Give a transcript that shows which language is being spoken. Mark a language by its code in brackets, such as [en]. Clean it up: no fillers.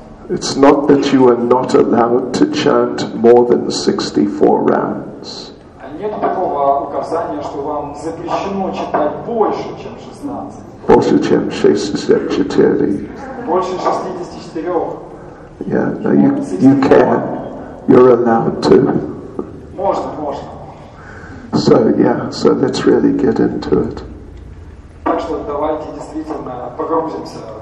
[en] It's not that you are not allowed to chant more than 64 rounds. [ru] Нет такого указания, что вам запрещено читать больше, чем 16. Больше, чем 64. Больше 64. [en] Yeah, no, you can. You're allowed to. [ru] Можно, можно. [en] So, yeah, so let's really get into it. [ru] Так что давайте действительно погрузимся.